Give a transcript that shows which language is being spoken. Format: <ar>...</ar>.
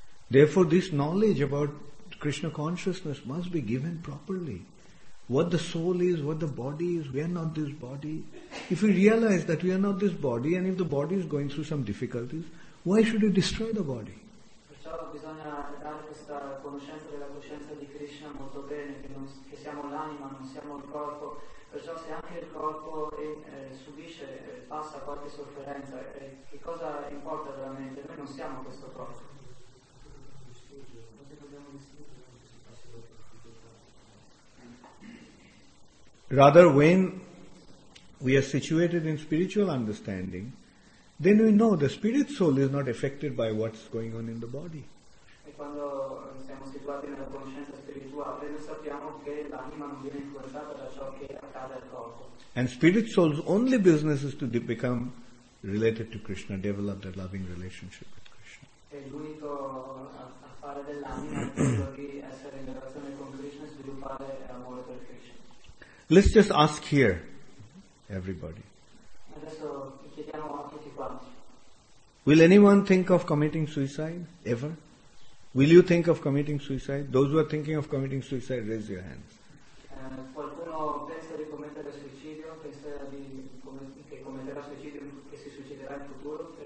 <en>Therefore this knowledge about Krishna consciousness must be given properly. What the soul is, what the body is, we are not this body. If we realize that we are not this body, and if the body is going through some difficulties, why should you destroy the body?</en> <it>Perciò bisogna bisogna dare questa conoscenza della coscienza di Krishna molto bene, che siamo l'anima, non siamo il corpo. Perciò se anche il corpo subisce, passa qualche sofferenza, che cosa importa veramente? Noi non siamo questo corpo.</it> <en>Rather, when we are situated in spiritual understanding, then we know the spirit soul is not affected by what's going on in the body.</en> <it>E quando siamo situati nella conoscenza spirituale, noi sappiamo che l'anima non viene influenzata da ciò che accade al corpo.</it> <en>And spirit soul's only business is to become related to Krishna, develop their loving relationship with Krishna.</en> <it>E l'unico affare dell'anima è essere in relazione con Krishna e sviluppare amore per Krishna.</it> <en>Let's just ask here, everybody.</en> <it>Adesso chiediamo a tutti quanti.</it> <en>Will anyone think of committing suicide? Ever? Will you think of committing suicide? Those who are thinking of committing suicide, raise your hands.</en> <it>Qualcuno pensa di commettere suicidio? Pensa di che commetterà suicidio, che si suiciderà in futuro?</it>